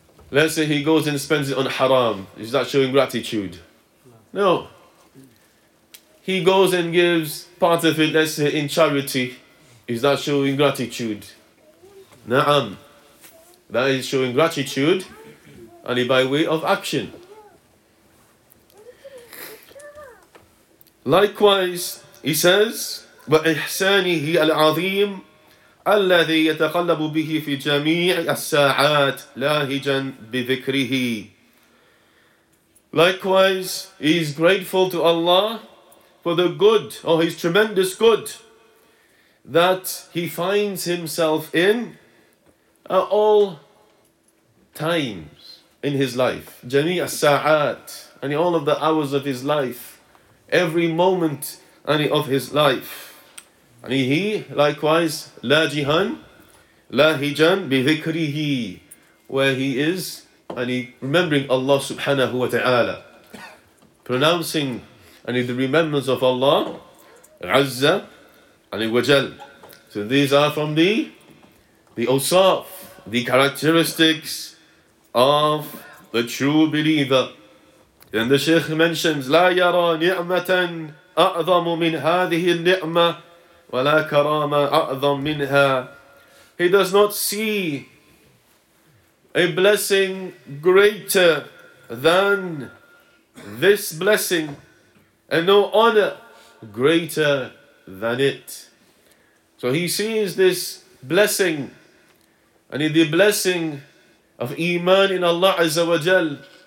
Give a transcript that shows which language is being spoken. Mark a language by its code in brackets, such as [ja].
[en] Let's say he goes and spends it on haram. Is that showing gratitude? No. He goes and gives part of it, let's say, in charity. Is that showing gratitude? Na'am. That is showing gratitude only by way of action. Likewise, he says, [ar] وَإِحْسَانِهِ الْعَظِيمِ الَّذِي يَتَقَلَّبُ بِهِ فِي جَمِيعِ السَّاعَاتِ لَاهِجًا بِذِكْرِهِ. [en] Likewise, he is grateful to Allah for the good, or his tremendous good, that he finds himself in at all times in his life. [ar] جَمِيعَ السَّاعَاتِ, [en] and all of the hours of his life, every moment of his life. And he, likewise, [ar] لاجهن, لاهجن بذكره, [en] where he is, and he remembering Allah subhanahu wa ta'ala, pronouncing the remembrance of Allah, [ar] عزّ وجل. [en] So these are from the awsaf, the characteristics of the true believer. And the Shaykh mentions, [ar] لا يرى نعمة أعظم من هذه النعمة وَلَا كَرَامَ أَعْظَمْ مِنْهَا. [en] He does not see a blessing greater than this blessing, and no honor greater than it. So he sees this blessing, and in the blessing of Iman in Allah Azza wa Jal,